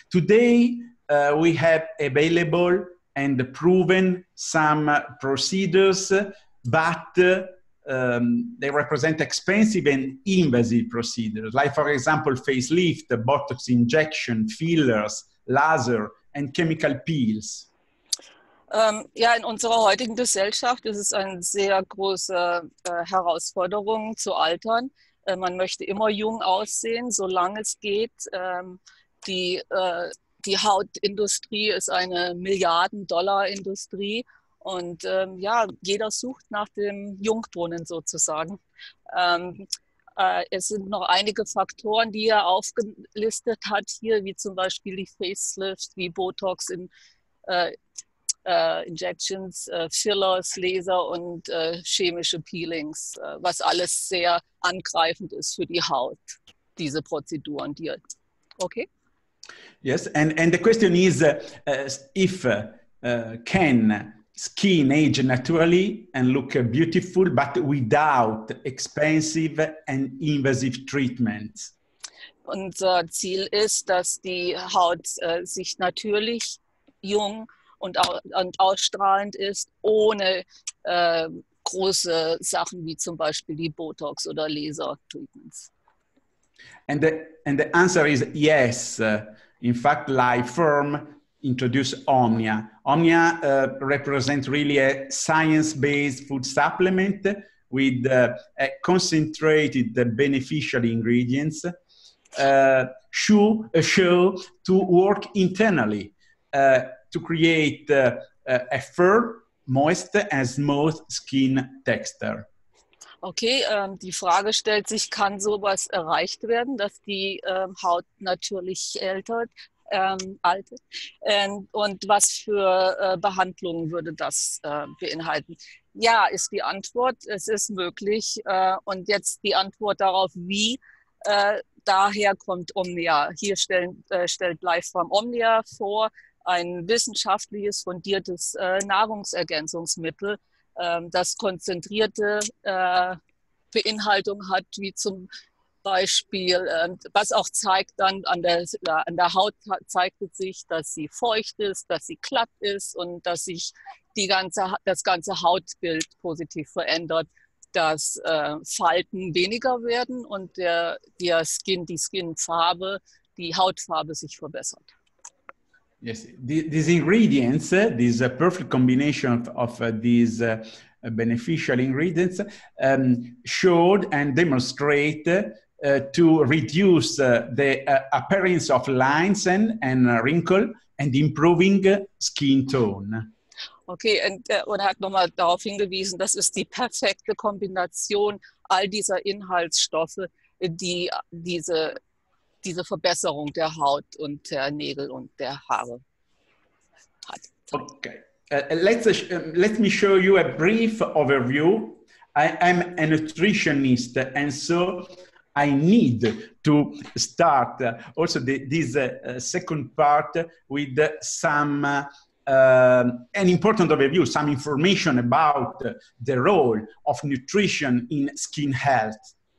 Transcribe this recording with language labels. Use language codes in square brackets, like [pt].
[en] Today we have available and proven some procedures, but they represent expensive and invasive procedures, like for example facelift, Botox injection, fillers, laser, and chemical peels. [de] Ja, in unserer heutigen Gesellschaft ist es eine sehr große Herausforderung zu altern. Man möchte immer jung aussehen, solange es geht. Die Hautindustrie ist eine Milliarden-Dollar-Industrie Und ja, jeder sucht nach dem Jungbrunnen sozusagen. Es sind noch einige Faktoren, die er aufgelistet hat hier, wie zum Beispiel die Facelift, wie Botox in Injections, Fillers, Laser und chemische Peelings, was alles sehr angreifend ist für die Haut, diese Prozeduren, die er, okay? [en] Yes, and the question is if can skin age naturally and look beautiful, but without expensive and invasive treatments? [de] Unser Ziel ist, dass die Haut sich natürlich jung und ausstrahlend ist, ohne große Sachen wie zum Beispiel die Botox oder Laser-Treatments. [en] And the answer is yes. In fact, Lifeform introduced Omnia. Omnia represents really a science-based food supplement with a concentrated beneficial ingredients show to work internally to create a firm, moist and smooth skin texture. [de] Okay, die Frage stellt sich, kann sowas erreicht werden, dass die Haut natürlich altert? Und was für Behandlungen würde das beinhalten? Ja, ist die Antwort, es ist möglich. Und jetzt die Antwort darauf, wie daher kommt Omnia. Hier stellt Lifeform Omnia vor, ein wissenschaftliches, fundiertes Nahrungsergänzungsmittel, das konzentrierte Beinhaltung hat, wie zum Beispiel, was auch zeigt dann an der Haut, zeigt es sich, dass sie feucht ist, dass sie glatt ist und dass sich das ganze Hautbild positiv verändert, dass Falten weniger werden und die Skinfarbe, die Hautfarbe sich verbessert. [en] Yes, these ingredients, this perfect combination of these beneficial ingredients showed and demonstrate to reduce the appearance of lines and wrinkle and improving skin tone. [de] Okay, und er hat nochmal darauf hingewiesen, das ist die perfekte Kombination all dieser Inhaltsstoffe, die diese Verbesserung der Haut und der Nägel und der Haare hat. [en] Okay. Let me show you a brief overview. I am a nutritionist, and so I need to start also this second part with some an important overview, some information about the role of nutrition in skin health.